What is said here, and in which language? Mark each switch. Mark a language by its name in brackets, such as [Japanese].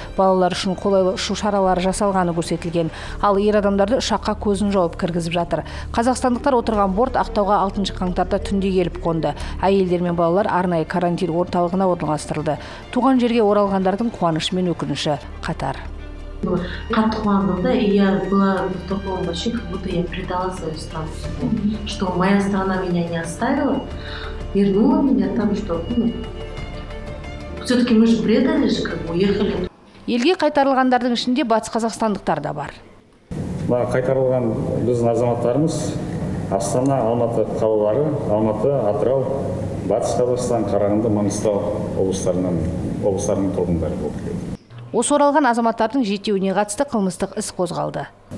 [Kazakh] Балалар үшін қолайлы ұшу шаралары жасалғаны көрсетілген. Ал ер адамдарды ұшаққа көзін жауып кіргізіп жатыр. Қазақстандықтар отырған борт Ақтауға 6 қаңтарда түнде келіп қонды. Әйелдер мен балалар арнайы карантин орталығына орналастырылды. Туған жерге оралғандардың қуанышы мен өкініші қатар. [Russian] Катку мама, да, и я была в таком вообще, как будто я предала свою страну, что моя страна меня не оставила, вернула меня там, что, ну, все-таки мы же предали же, как бы уехали. [Kazakh] Елге қайтарылғандардың ішінде батыс қазақстандықтар да бар. Мына қайтарылған біздің азаматтарымыз Астана, Алматы қалалары, Алматы, Атырау, батыс Қазақстан, Қарағанды, Маңғыстау облыстарының тұрғындары болып келді. Осы оралған азаматтардың жетеуіне қатысты қылмыстық іс қозғалды.